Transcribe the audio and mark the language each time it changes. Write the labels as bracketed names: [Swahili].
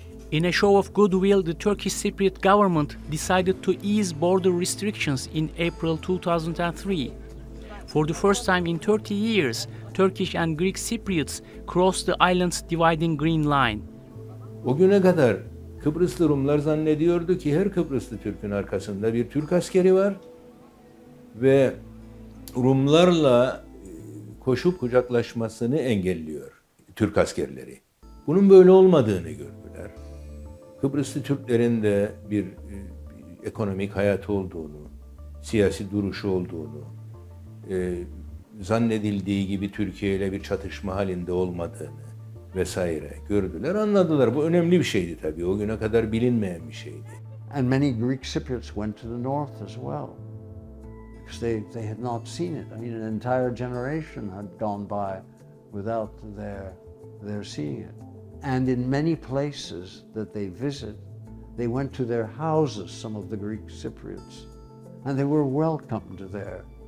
[English] In a show of goodwill, the Turkish Cypriot government decided to ease border restrictions in April 2003. For the first time in 30 years, Turkish and Greek Cypriots crossed the island's dividing green line. [Turkish] O güne kadar Kıbrıslı Rumlar zannediyordu ki her Kıbrıslı Türk'ün arkasında bir Türk askeri var ve Rumlarla koşup kucaklaşmasını engelliyor Türk askerleri. Bunun böyle olmadığını gördüler. Kıbrıslı Türklerin de bir ekonomik hayatı olduğunu, siyasi duruşu olduğunu, zannedildiği gibi Türkiye ile bir çatışma halinde olmadığını vesaire gördüler, anladılar. Bu önemli bir şeydi tabii. O güne kadar bilinmeyen bir şeydi. [English] And many Greek Cypriots went to the north as well, because they had not seen it. I mean, an entire generation had gone by without their seeing it. And in many places that they visit, they went to their houses, some of the Greek Cypriots, and they were welcomed there.